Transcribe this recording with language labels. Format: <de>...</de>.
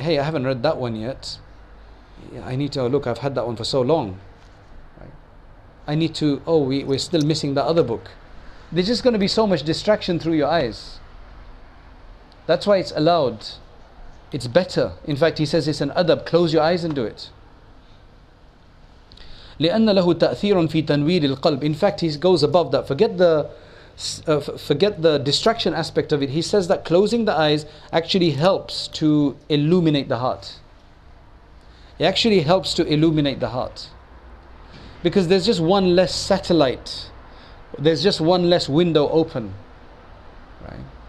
<en>Hey, I haven't read that one yet. I need to look, I've had that one for so long. I need to, we're still missing that other book. There's just going to be so much distraction through your eyes. That's why it's allowed. It's better. In fact, he says it's an adab. Close your eyes and do it.</en> <ar>لأن له تأثير في تنوير القلب.</ar> <en>In fact, he goes above that. Forget the distraction aspect of it. He says that closing the eyes actually helps to illuminate the heart. It actually helps to illuminate the heart. Because there's just one less satellite. There's just one less window open. Right?</en>